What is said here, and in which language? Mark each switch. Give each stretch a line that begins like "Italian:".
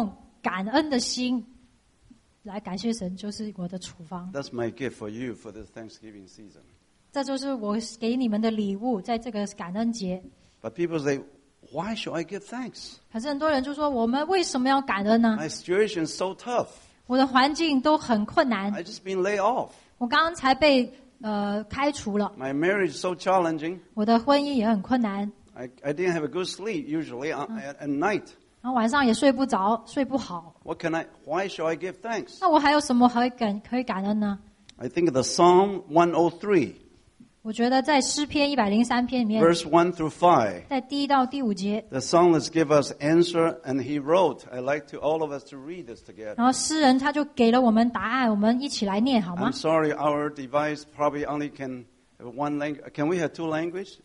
Chinese: 我的处方就是用感恩的心 来感谢神就是我的处方。
English: That's my gift for you for this Thanksgiving season.
Chinese: 这就是我给你们的礼物在这个感恩节。
English: But people say, why should I give thanks?
Chinese: 可是很多人就说, 我们为什么要感恩呢?
English: My situation is so tough.
Chinese: 我的环境都很困难。
English: I've just been laid off.
Chinese: 我刚才被开除了。
English: My marriage is so challenging.
Chinese: 我的婚姻也很困难。
English: I didn't have a good sleep usually at night.
Chinese: 然后晚上也睡不着，睡不好。
English: What can I? Why shall I give thanks?
Chinese: 那我还有什么可以感恩呢？
English: I think the Psalm 103.
Chinese: 我觉得在诗篇103篇里面
English: Verse 1 through 5
Chinese: 在第一到第五节
English: The psalmist gave us answer and he wrote I'd like to all of us to read this together
Chinese: 然后诗人他就给了我们答案我们一起来念好吗
English: I'm sorry our device probably only can have one language Can we have two languages?